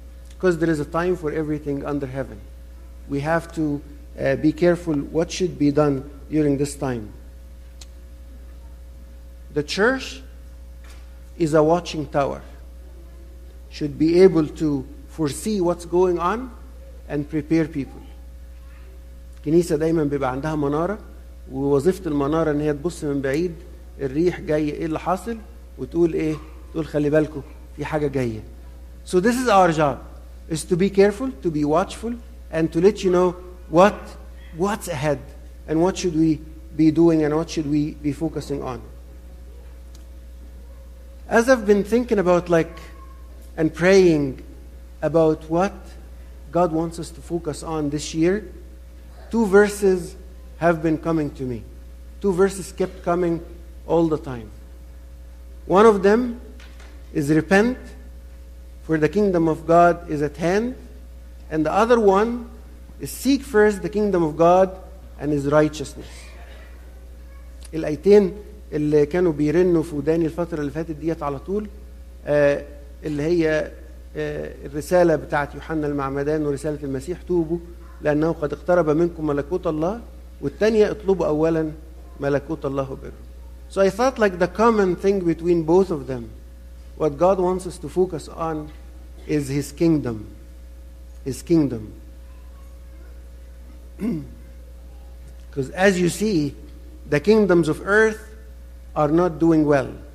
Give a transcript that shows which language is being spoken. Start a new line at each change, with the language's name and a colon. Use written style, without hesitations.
English: Because there is a time for everything under heaven. We have to be careful what should be done during this time. The church is a watching tower. Should be able to foresee what's going on and prepare people.
Arabic: كنيسة دايما بيبقى عندها منارة ووظيفة المنارة ان هي تبص من بعيد الريح جاي ايه اللي حاصل وتقول ايه تقول خلي بالكو في حاجة جاية.
English: So this is our job, is to be careful, to be watchful and to let you know what's ahead and what should we be doing and what should we be focusing on. As I've been thinking about like and praying about what God wants us to focus on this year, two verses have been coming to me. Two verses kept coming all the time. One of them is repent, for the kingdom of God is at hand. And the other one is seek first the kingdom of God and His righteousness.
Arabic: الآيتين اللي كانوا بيرنوا في وداني الفترة اللي فاتت ديت على طول اللي هي الرسالة بتاعت يوحنا المعمدان ورسالة المسيح توبوا لأنه قد اقترب منكم ملكوت الله والتانية اطلبوا أولا ملكوت الله وبره.
English: So I thought like the common thing between both of them, what God wants us to focus on is His kingdom. His kingdom. Because as you see, the kingdoms of earth are not doing well.